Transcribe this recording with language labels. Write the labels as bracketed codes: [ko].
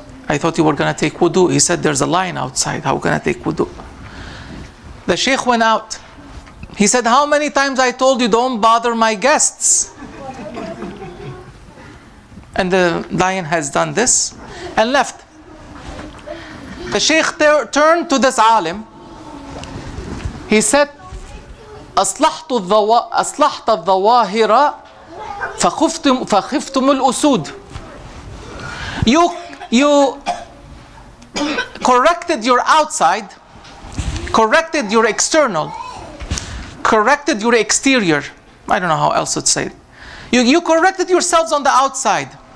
[en] I thought you were going to take wudu. He said, there's a lion outside. How can I take wudu? The sheikh went out. He said, how many times I told you don't bother my guests? And the lion has done this and left. The sheikh turned to this alim. [ar] He said, أصلحت الظواهر فخفتم الأسود. [en] You corrected your outside, corrected your external, corrected your exterior. I don't know how else to say it. You corrected yourselves on the outside.